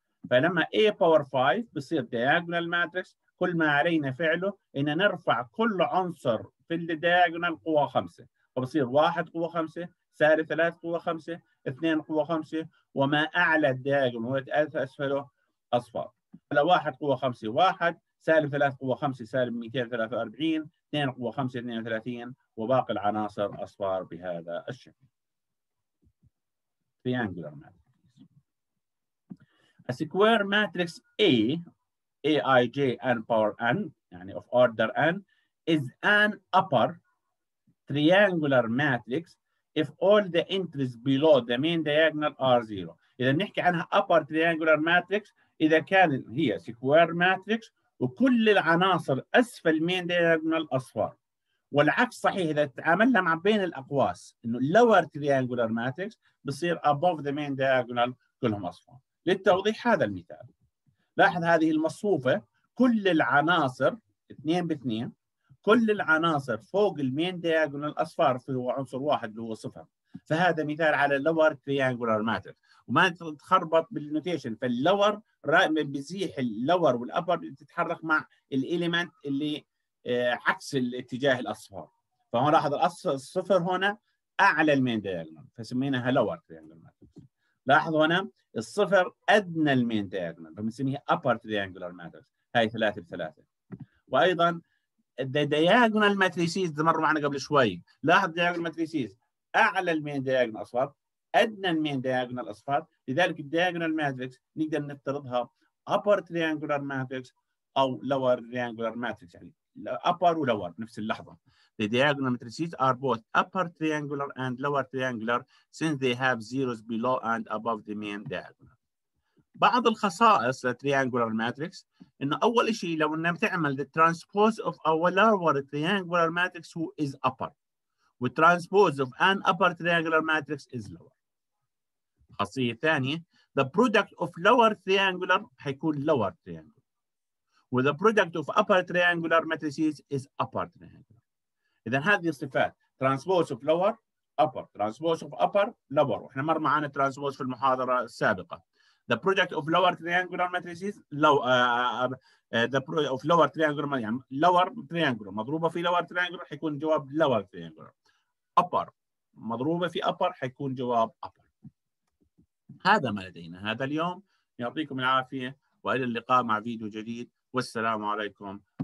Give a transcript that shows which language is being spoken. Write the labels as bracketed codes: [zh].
[ar] فلما اي باور 5 بصير دياجونال ماتريكس، كل ما علينا فعله إن نرفع كل عنصر في الدياجونال قوة 5، فبصير 1 قوة 5، سالب 3 قوة 5، 2 قوة 5، وما أعلى الدياجونال أسفله أصفار. على 1 قوة 5 1، سالب 3 قوة 5 سالب 243، 2 قوة 5 32، وباقي العناصر أصفار بهذا الشكل. تريانجولار ماتريكس. [en] السكوير matrix A Aij n power n يعني of order n is an upper triangular matrix if all the entries below the main diagonal are zero. [ar] إذا نحكي عنها upper triangular matrix، إذا كان هي square matrix وكل العناصر أسفل main diagonal أصفار. والعكس صحيح، إذا تعاملنا مع بين الأقواس إنه lower triangular matrix بصير [en] above the main diagonal [ar] كلهم أصفار. للتوضيح هذا المثال، لاحظ هذه المصفوفة كل العناصر 2 باثنين، كل العناصر فوق المين دياجونال الأصفار في عنصر واحد اللي هو صفر. فهذا مثال على lower triangular matrix، وما تتخربط بالنوتيشن، فاللور رائما بيزيح اللور والأبر تتحرك مع الإليمنت اللي عكس الاتجاه الأصفار. فهون لاحظ الصفر هنا أعلى المين دياجونال فسميناها lower triangular matrix. لاحظوا هنا الصفر أدنى المين دياجونال فبنسميه upper triangular matrix، هاي 3 بـ3. وأيضا the diagonal matrices مر معنا قبل شوي، لاحظ diagonal matrices أعلى المين دياجونال أصفار أدنى المين دياجونال أصفار. لذلك diagonal matrix نقدر نفترضها upper triangular matrix أو lower triangular matrix، يعني upper ولور نفس اللحظة. [en] The diagonal matrices are both upper triangular and lower triangular since they have zeros below and above the main diagonal. [ar] بعض الخصائص للtriangular matrix إنه أول شيء لو نعمل تعمل [en] the transpose of a lower triangular matrix who is upper with transpose of an upper triangular matrix is lower. [ar] خاصية ثانية، [en] the product of lower triangular [ar] هيكون [en] lower triangular with the product of upper triangular matrices is upper triangular. [ar] إذن هذه الصفات [en] transpose of lower upper، transpose of upper lower، [ar] وإحنا مر معانا transpose في المحاضرة السابقة. [en] The product of lower triangular matrices lower triangular [ar] مضروبة في lower triangular حيكون جواب lower triangular، upper مضروبة في upper حيكون جواب upper. هذا ما لدينا هذا اليوم، يعطيكم العافية وإلى اللقاء مع فيديو جديد، والسلام عليكم.